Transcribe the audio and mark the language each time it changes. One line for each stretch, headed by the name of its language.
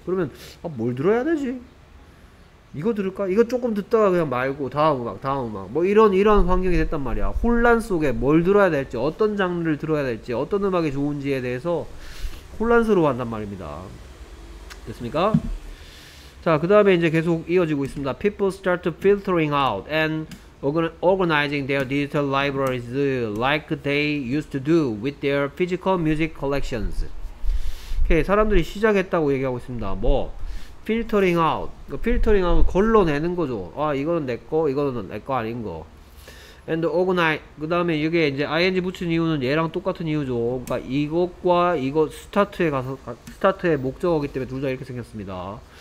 Korean: 그러면, 아, 뭘 들어야 되지? 이거 들을까? 이거 조금 듣다가 그냥 말고, 다음 음악, 다음 음악. 뭐 이런 환경이 됐단 말이야. 혼란 속에 뭘 들어야 될지, 어떤 장르를 들어야 될지, 어떤 음악이 좋은지에 대해서 혼란스러워 한단 말입니다. 됐습니까? 자, 그 다음에 이제 계속 이어지고 있습니다.
English: People start to filtering out and organizing their digital libraries like they used to do with their physical music collections.
Korean: 오케이, 사람들이 시작했다고 얘기하고 있습니다. 뭐,
English: filtering out.
Korean: filtering out은 걸러내는 거죠. 아, 이거는 내 거, 이거는 내거 아닌 거.
English: and organize.
Korean: 그 다음에 이게 이제 ing 붙인 이유는 얘랑 똑같은 이유죠. 그러니까 이것과 이거 스타트에 가서, 스타트의 목적어이기 때문에 둘다 이렇게 생겼습니다.